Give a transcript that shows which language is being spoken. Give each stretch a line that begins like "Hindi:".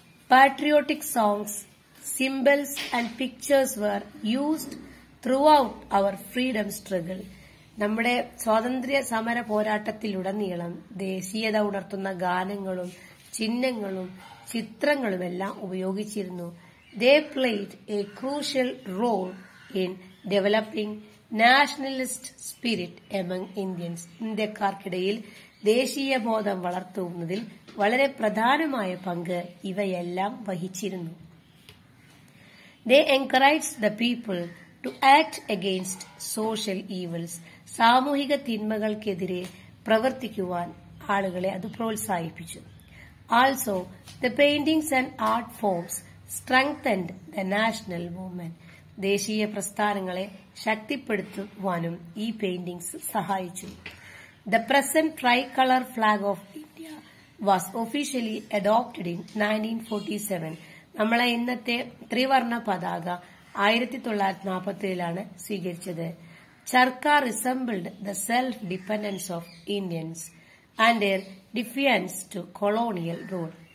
English: Patriotic songs, symbols and pictures were used throughout our freedom struggle.
Malayalam: നമ്മുടെ സ്വാതന്ത്ര്യ സമര പോരാട്ടത്തിലുടനീളം ദേശീയത ഉണർത്തുന്ന ഗാനങ്ങളും ചിഹ്നങ്ങളും ചിത്രങ്ങളുമെല്ലാം ഉപയോഗിച്ചിരുന്നു.
English: They played a crucial role in developing nationalist spirit among Indians.
Malayalam: ഇന്ത്യക്കാർക്കിടയിൽ ദേശീയ ബോധം വളർത്തുന്നതിൽ വളരെ പ്രധാനമായ പങ്ക് ഇവയെല്ലാം വഹിച്ചിരുന്നു.
English: They encouraged the people to act against social evils.
Malayalam: സാമൂഹിക തിന്മകൾക്കെതിരെ പ്രവർത്തിക്കുവാൻ ആളുകളെ അത് പ്രോത്സാഹിപ്പിച്ചു.
English: Also, the paintings and art forms strengthened the national movement.
Malayalam: ദേശീയ പ്രസ്ഥാനങ്ങളെ ശക്തിപ്പെടുത്തുവാനും ഈ പെയിന്റിംഗ്സ് സഹായിച്ചു.
English: The present tricolor flag of India was officially adopted in 1947.
Malayalam: നമ്മളെ ഇന്നത്തെ ത്രിവർണ പതാക 1947 സ്വീകരിച്ചത്.
English: Charkha resembled the self dependence of Indians and their defiance to colonial rule.